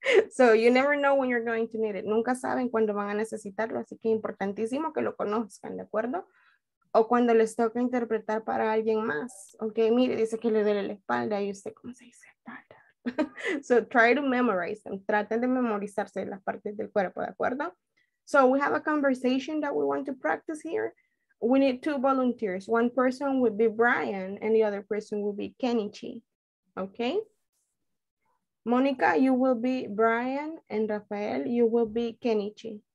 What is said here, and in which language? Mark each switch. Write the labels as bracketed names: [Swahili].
[English] So you never know when you're going to need it. [Spanish] Nunca saben cuándo van a necesitarlo, así que es importantísimo que lo conozcan, ¿de acuerdo? O cuando les toca interpretar para alguien más. Ok, mire, dice que le duele la espalda y usted, ¿cómo se dice? Espalda. [English] So try to memorize them. [Spanish] Traten de memorizarse las partes del cuerpo, ¿de acuerdo? [English] So we have a conversation that we want to practice here. We need two volunteers. One person would be Brian and the other person would be Kenichi. Ok. Monica, you will be Brian and Rafael, you will be Kenichi.